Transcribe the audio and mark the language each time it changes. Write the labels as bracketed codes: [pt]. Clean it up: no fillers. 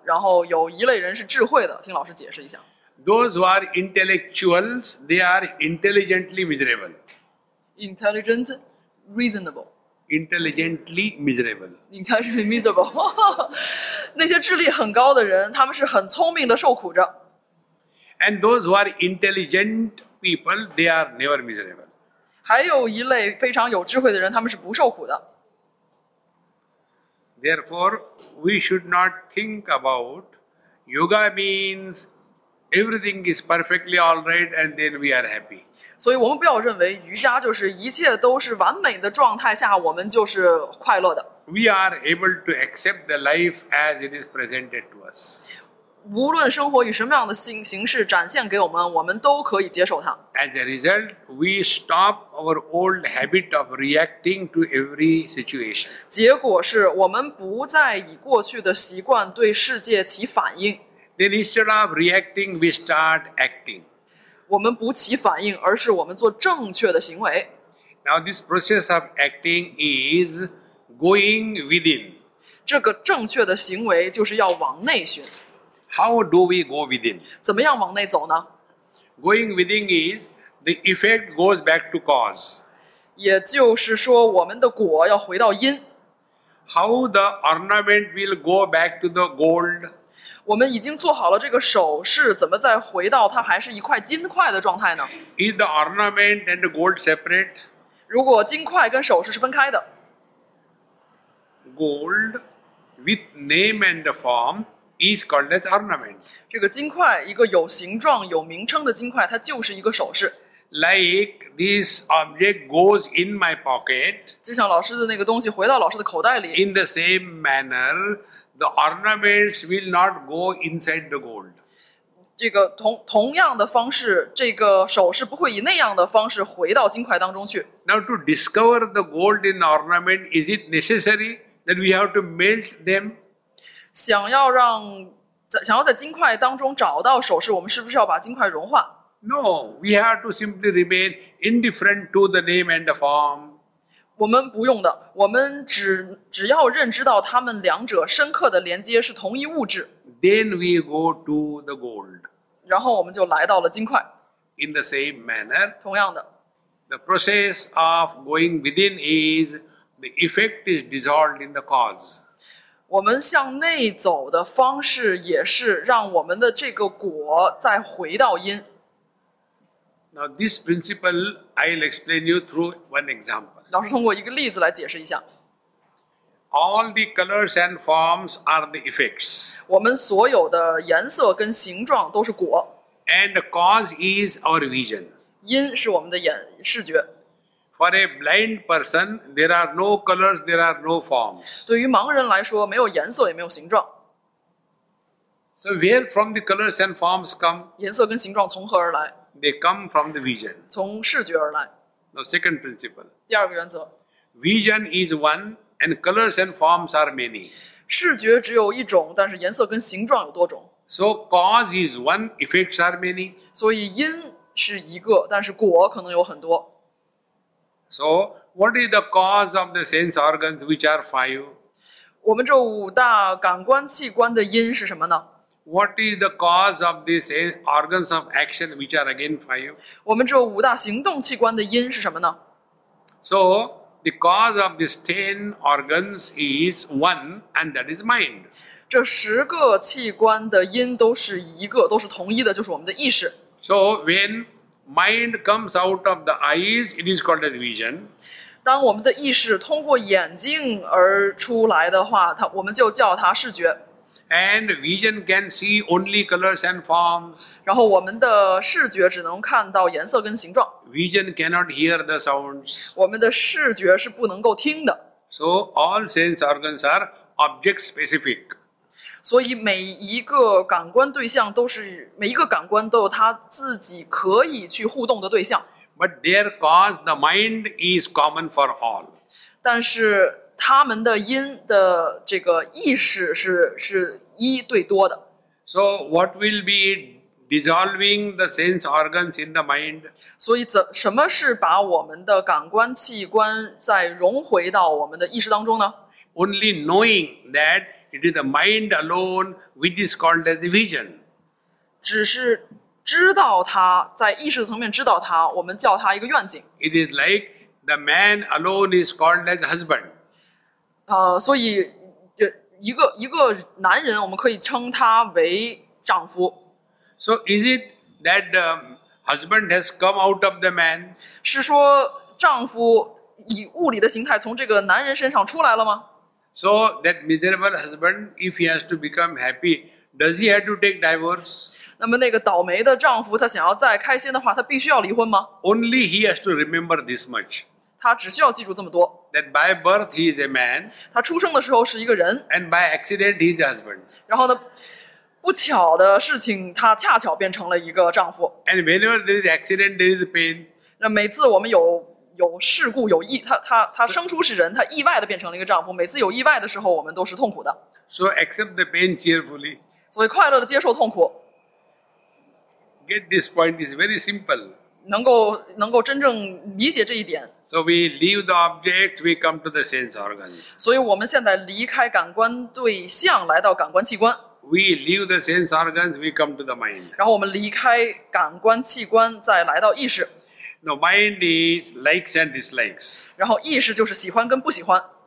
[zh] 有两类人，有一类人是智性的，然后有一类人是智慧的，听老师解释一下。 [en] Those who are intellectuals, they are intelligently miserable. Intelligent, reasonable. Intelligently miserable. Intelligently miserable. [zh] 那些智力很高的人，他们是很聪明的，受苦着。 [en] And those who are intelligent people, they are never miserable. [zh] 还有一类非常有智慧的人，他们是不受苦的。 [en] Therefore, we should not think about yoga means everything is perfectly all right and then we are happy. [zh] 所以我们不要认为瑜伽就是一切都是完美的状态下我们就是快乐的。 [en] We are able to accept the life as it is presented to us. [zh] 无论生活以什么样的形式展现给我们，我们都可以接受它。 [en] As a result, we stop our old habit of reacting to every situation. [zh] 结果是我们不再以过去的习惯对世界起反应。 [en] Then instead of reacting, we start acting. [zh] 我们不起反应，而是我们做正确的行为。 [en] Now this process of acting is going within. [zh] 这个正确的行为就是要往内寻。 [en] How do we go within? [zh] 怎么样往内走呢? [en] Going within is the effect goes back to cause. [zh] 也就是说我们的果要回到因。 [en] How the ornament will go back to the gold? [zh] 我们已经做好了这个首饰，怎么再回到它还是一块金块的状态呢? [en] Is the ornament and the gold separate? [zh] 如果金块跟首饰是分开的。 [en] Gold with name and form,is called as ornament. [zh] 这个金块，一个有形状、有名称的金块，它就是一个首饰。 [en] Like this object goes in my pocket. [zh] 就像老师的那个东西回到老师的口袋里。 [en] In the same manner, the ornaments will not go inside the gold. [zh] 这个同样的方式，这个首饰不会以那样的方式回到金块当中去。 [en] Now to discover the gold in ornament, is it necessary that we have to melt them? [zh] 想要在金块当中找到首饰，我们是不是要把金块融化 [en] ？No, we have to simply remain indifferent to the name and the form. [zh] 我们不用的，我们只要认知到它们两者深刻的连接是同一物质。 [en] Then we go to the gold. [zh] 然后我们就来到了金块。 [en] In the same manner, [zh] 同样的 [en] ，the process of going within is the effect is dissolved in the cause. [zh] 我们向内走的方式也是让我们的这个果再回到因。 [en] Now this principle I'll explain you through one example. [zh] 老师通过一个例子来解释一下。 [en] All the colors and forms are the effects. [zh] 我们所有的颜色跟形状都是果。 [en] And the cause is our vision. [zh] 因是我们的眼视觉。 [en] For a blind person, there are no colors, there are no forms. [zh] 对于盲人来说，没有颜色，也没有形状。 [en] So where from the colors and forms come? [zh] 颜色跟形状从何而来？ [en] They come from the vision. [zh] 从视觉而来。 [en] Now second principle. [zh] 第二个原则。 [en] Vision is one, and colors and forms are many. [zh] 视觉只有一种，但是颜色跟形状有多种。 [en] So cause is one, effects are many. [zh] 所以因是一个，但是果可能有很多。 [en] So, what is the cause of the sense organs, which are five? [zh] 我们这五大感官器官的因是什么呢？ [en] What is the cause of these organs of action, which are again five? [zh] 我们这五大行动器官的因是什么呢？ [en] So, the cause of these 10 organs is one, and that is mind. [zh] 这十个器官的因都是一个，都是同一的，就是我们的意识。 [en] So, when... Mind comes out of the eyes, it is called as vision. [zh] 当我们的意识通过眼睛而出来的话，我们就叫它视觉。 [en] And vision can see only colors and forms. [zh] 然后我们的视觉只能看到颜色跟形状。 [en] Vision cannot hear the sounds. [zh] 我们的视觉是不能够听的。 [en] So all sense organs are object specific. [zh] 所以每一个感官对象都是每一个感官都有它自己可以去互动的对象。 [en] But their cause, the mind is common for all. [zh] 但是他们的因的这个意识是一对多的。 [en] So what will be dissolving the sense organs in the mind? [zh] 所以什么是把我们的感官器官再融回到我们的意识当中呢？ [en] Only knowing that. It is the mind alone which is called as the vision. [zh] 只是知道它，在意识层面知道它，我们叫它一个愿景。 [en] It is like the man alone is called as husband. [zh] 所以一个男人，我们可以称他为丈夫。 [en] So is it that the husband has come out of the man? [zh] 是说丈夫以物理的形态从这个男人身上出来了吗？ [en] So that miserable husband, if he has to become happy, does he have to take divorce? [zh] 那么那个倒霉的丈夫，他想要再开心的话，他必须要离婚吗？ [en] Only he has to remember this much. [zh] 他只需要记住这么多。 [en] That by birth he is a man. [zh] 他出生的时候是一个人。 [en] And by accident he is a husband. [zh] 然后呢，不巧的事情，他恰巧变成了一个丈夫。 [en] And whenever there is accident, there is pain. [zh] 那每次我们有事故，有意，他生出是人，他意外的变成了一个丈夫。每次有意外的时候，我们都是痛苦的。 [en] So accept the pain cheerfully. [zh] 所以快乐的接受痛苦。 [en] Get this point is very simple. [zh] 能够真正理解这一点。 [en] So we leave the object, we come to the sense organs. [zh] 所以我们现在离开感官对象，来到感官器官。 [en] We leave the sense organs, we come to the mind. [zh] 然后我们离开感官器官，再来到意识。 [en] Now mind is likes and dislikes. [zh] 然后意识就是喜欢跟不喜欢。